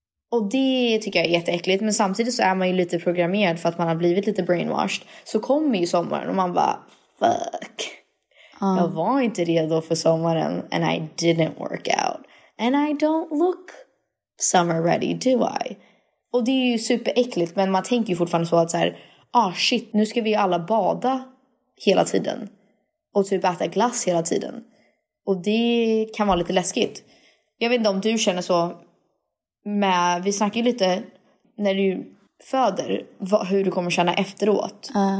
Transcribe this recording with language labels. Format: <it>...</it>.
<sv>Och det tycker jag är jätteäckligt. Men samtidigt så är man ju lite programmerad för att man har blivit lite brainwashed. Så kommer ju sommaren och man bara, fuck. Jag var inte redo för sommaren.</sv> <en>And I didn't work out. And I don't look summer ready, do I?</en> <sv>Och det är ju superäckligt. Men man tänker ju fortfarande så att så här,</sv> <en>ah shit,</en> <sv>nu ska vi alla bada hela tiden. Och typ äta glass hela tiden. Och det kan vara lite läskigt. Jag vet inte om du känner så. Men vi snackar ju lite när du föder hur du kommer känna efteråt.</sv>